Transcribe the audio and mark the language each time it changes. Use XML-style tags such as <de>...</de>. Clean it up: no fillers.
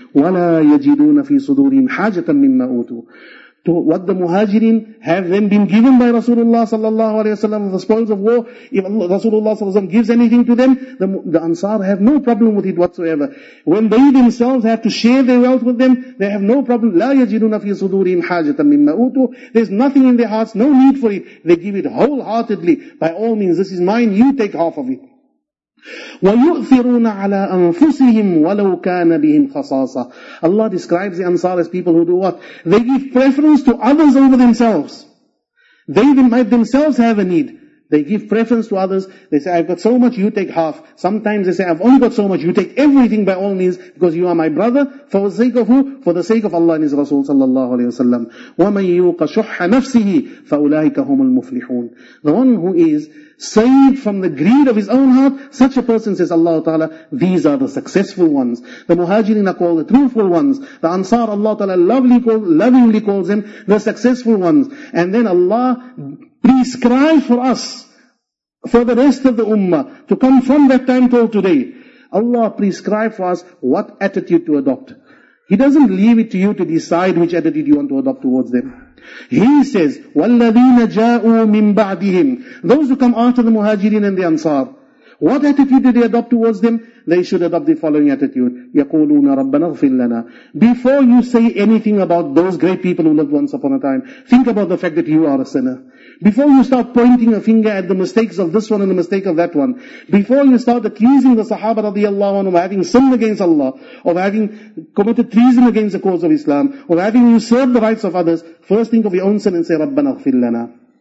<ar>وَلَا يَجِدُونَ فِي صُدُورِهِمْ حَاجَةً مِمَّا أُوتُوا.</ar> <en>To what the muhajirin, have them been given by Rasulullah sallallahu alayhi wa sallam the spoils of war? If Rasulullah sallallahu alayhi wa sallam gives anything to them, the Ansar have no problem with it whatsoever. When they themselves have to share their wealth with them, they have no problem.</en> <ar>لا يجدون في صدورهم حاجة مما أوتوا.</ar> <en>There's nothing in their hearts, no need for it. They give it wholeheartedly. By all means, this is mine, you take half of it.</en> <ar>وَيُؤْثِرُونَ عَلَىٰ أَنفُسِهِمْ وَلَوْ كَانَ بِهِمْ خَصَاصَةٌ.</ar> <en>Allah describes the Ansar as people who do what? They give preference to others over themselves. They might themselves have a need. They give preference to others. They say, I've got so much, you take half. Sometimes they say, I've only got so much, you take everything by all means, because you are my brother. For the sake of who? For the sake of Allah and His Rasul sallallahu alayhi wa sallam.</en> <ar>وَمَنْ يُوقَ شُحَّ نَفْسِهِ فَأُولَٰئِكَ هُمُ الْمُفْلِحُونَ.</ar> <en>The one who is saved from the greed of his own heart, such a person, says Allah Ta'ala, these are the successful ones. The muhajirin are called the truthful ones. The Ansar, Allah Ta'ala lovingly calls them the successful ones. And then Allah prescribed for us, for the rest of the ummah, to come from that time till today. Allah prescribed for us what attitude to adopt. He doesn't leave it to you to decide which attitude you want to adopt towards them. He says,</en> <ar>وَالَّذِينَ جَاءُوا مِنْ بَعْدِهِمْ.</ar> <en>Those who come after the muhajirin and the ansar, what attitude did they adopt towards them? They should adopt the following attitude.</en> <ar>يَقُولُونَ رَبَّنَا اغْفِرْ لَنَا.</ar> <en>Before you say anything about those great people who lived once upon a time, think about the fact that you are a sinner. Before you start pointing a finger at the mistakes of this one and the mistake of that one, before you start accusing the Sahaba radiallahu anhu of having sinned against Allah, of having committed treason against the cause of Islam, of having usurped the rights of others, first think of your own sin and say,</en> <ar>رَبَّنَا اغْفِرْ لَنَا.</ar>